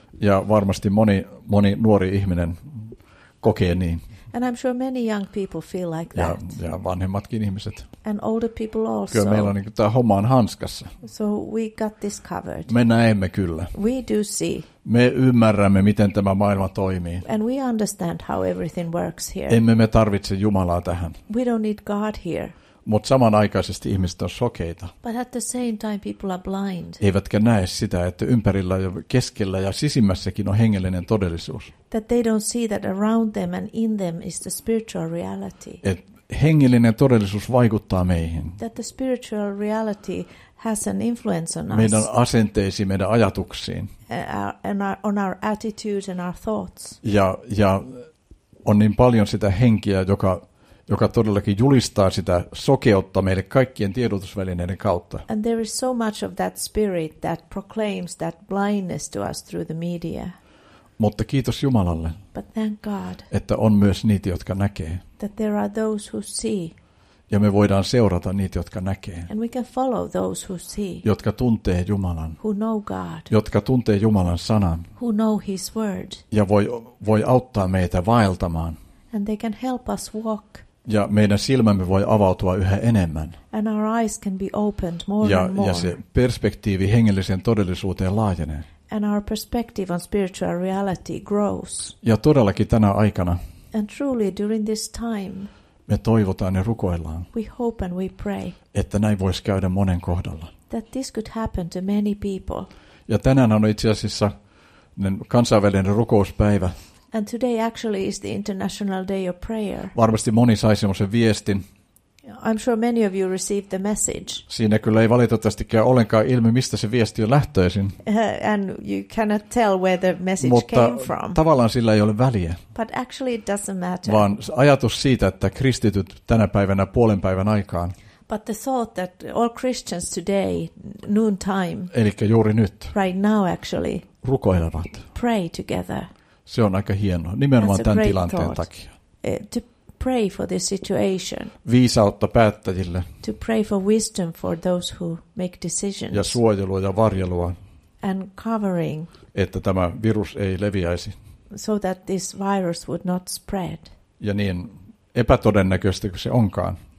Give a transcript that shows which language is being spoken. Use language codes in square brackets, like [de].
[fi] Ja varmasti moni nuori ihminen kokee niin. [en] And I'm sure many young people feel like that. [fi] Ja vanhemmatkin ihmiset. [en] And older people also. [fi] Kyllä meillä on niin kuin tämä homma on hanskassa. [en] So we got this covered. [fi] Me näemme kyllä. [en] We do see. [fi] Me ymmärrämme, miten tämä maailma toimii. [en] And we understand how everything works here. [fi] Emme me tarvitse Jumalaa tähän. [en] We don't need God here. [fi] Mutta samanaikaisesti ihmiset on sokeita. [en] But at the same time people are blind. [fi] Eivätkä näe sitä, että ympärillä ja keskellä ja sisimmässäkin on hengellinen todellisuus. [en] That they don't see that around them and in them is the spiritual reality. [fi] Et hengellinen todellisuus vaikuttaa meihin. [en] That the spiritual reality has an influence on us. [fi] Meidän asenteisiin, meidän ajatuksiin. [en] On our attitudes and our thoughts. [fi] Ja on niin paljon sitä henkeä, joka todellakin julistaa sitä sokeutta meille kaikkien tiedotusvälineiden kautta. [en] And there is so much of that spirit that proclaims that blindness to us through the media. [fi] Mutta kiitos Jumalalle, [en] but thank God, [fi] että on myös niitä, jotka näkee. [en] That there are those who see. [fi] Ja me voidaan seurata niitä, jotka näkee. [en] And we can follow those who see. [fi] Jotka tuntee Jumalan. [en] Who know God. [fi] Jotka tuntee Jumalan sanan. [en] Who know his word. [fi] Ja voi auttaa meitä vaeltamaan. [en] And they can help us walk. [fi] Ja meidän silmämme voi avautua yhä enemmän. [en] And our eyes can be opened more [fi] ja, [en] and more. [fi] Ja se perspektiivi hengelliseen todellisuuteen laajenee. [en] And our perspective on spiritual reality grows. [fi] Ja todellakin tänä aikana. [en] And truly during this time. [fi] Me toivotaan ja rukoillaan. [en] We hope and we pray. [fi] Että näin voisi käydä monen kohdalla. [en] That this could happen to many people. [fi] Ja tänään on itse asiassa kansainvälinen rukouspäivä. [en] And today actually is the International Day of Prayer. [fi] Varmasti moni sai semmoisen viestin. [en] I'm sure many of you received the message. [fi] Siinä kyllä ei valitettavasti käy ollenkaan ilmi, mistä se viesti on lähtöisin. [en] And you cannot tell where the message [fi] mutta [en] came from. [fi] Mutta tavallaan sillä ei ole väliä. [en] But actually it doesn't matter. [fi] Vaan ajatus siitä, että kristityt tänä päivänä puolen päivän aikaan. [en] But the thought that all Christians today, noon time. [fi] Elikkä juuri nyt. [en] Right now actually. [fi] Rukoilevat. [en] Pray together. [fi] Se on aika hienoa, nimenomaan tämän tilanteen [en] thought. [fi] Takia. [en] To pray for this situation. [fi] Viisautta päättäjille. [en] To pray for wisdom for those who make decisions. [fi] Ja suojelua ja varjelua. [en] And covering. [fi] Että tämä virus ei leviäisi. [en] So that this virus would not spread. [fi] Ja niin epätodennäköistä kuin se onkaan.